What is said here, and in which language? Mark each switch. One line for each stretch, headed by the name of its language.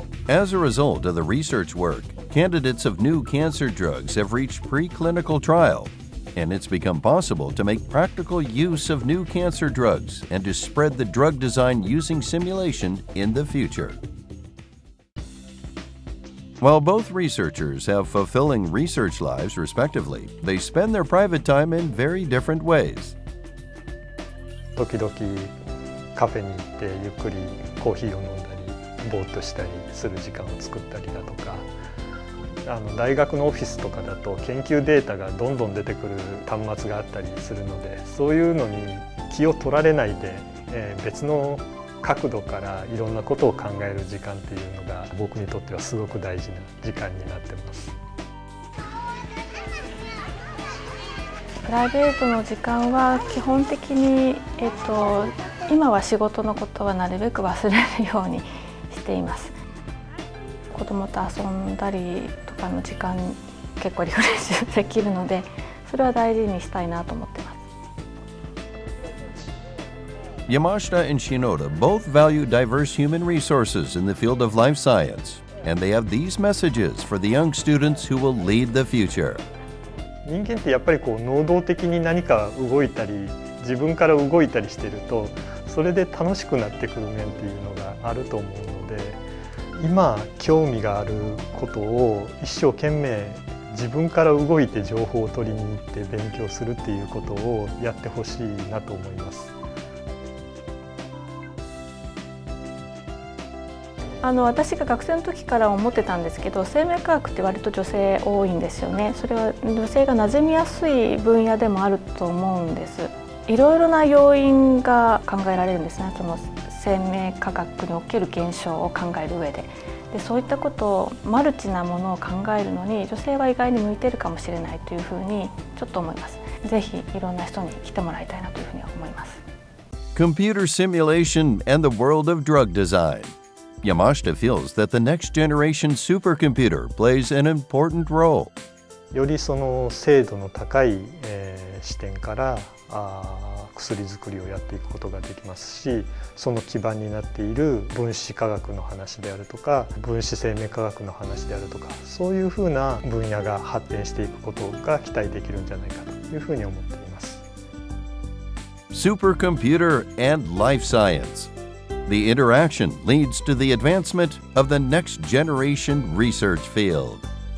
English: As a result of the research work, candidates of new cancer drugs have reached preclinical trial, and it's become possible to make practical use of new cancer drugs and to spread the drug design using simulation in the future. While both researchers have fulfilling research lives respectively, they spend their private time in very different ways.
Japanese: 時々カフェに行ってゆっくりコーヒーを飲んで。ぼーっとしたりする時間を作ったりだとか大学のオフィスとかだと研究データがどんどん出てくる端末があったりするのでそういうのに気を取られないで、別の角度からいろんなことを考える時間っていうのが僕にとってはすごく大事な時間になってます。プライベートの時間は基本的に、今は仕事のことはなるべく忘れるように。しています。子供と遊んだりとかの時間結構リフレッシュできるので、それは大事にしたいなと思ってます。
English: Yamashita and Shinoda both value diverse human resources in the field of life science, and they have these messages for the young students who will lead the future.
Japanese: 人間ってやっぱりこう能動的に何か動いたり、自分から動いたりしてると、それで楽しくなってくる面っていうのがあると思うので、今興味があることを一生懸命自分から動いて情報を取りに行って勉強するっていうことをやってほしいなと思います。私が学生の時から思ってたんですけど、生命科学って割と女性多いんですよね。それは女性が馴染みやすい分野でもあると思うんです。いろいろな要因が考えられるんですね、その生命科学における現象を考える上で。でそういったことをマルチなものを考えるのに女性は意外に向いてるかもしれないというふうにちょっと思います。ぜひいろんな人に来てもらいたいなというふうに思います。
English: Computer Simulation and the World of Drug DesignYamashita feels that the next generation supercomputer plays an important role.
Japanese: よりその精度の高い、視点から薬作りをやっていくことができますし、その基盤になっている分子化学の話であるとか、分子生命科学の話であるとか、そういうふうな分野が発展していくことが期待できるんじゃないかというふうに思っています。
English: Supercomputer and life science. The interaction leads to the advancement of the next generation research field.